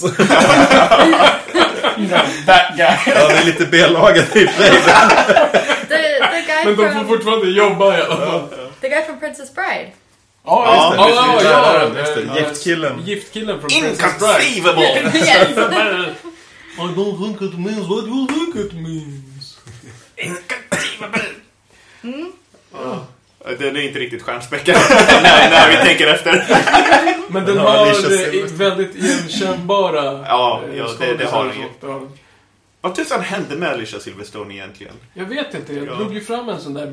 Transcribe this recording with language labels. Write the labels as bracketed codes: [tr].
[en] That guy. [sv] Ja, det är lite B-laget i flera. Men de får fortfarande jobba i alla fall. [en] The guy from Princess Bride. [sv] Giftkillen. Giftkillen från Princess Bride. [en] Inconceivable! I don't think it means what you think it means. Inconceivable! [sv] Den är inte riktigt stjärnspäckad. Nej, vi tänker efter. Men den har väldigt igenkännbara. Ja, det har den. Vad tusan hände med Alicia Silverstone egentligen? Jag vet inte, jag drog ju fram en sån där.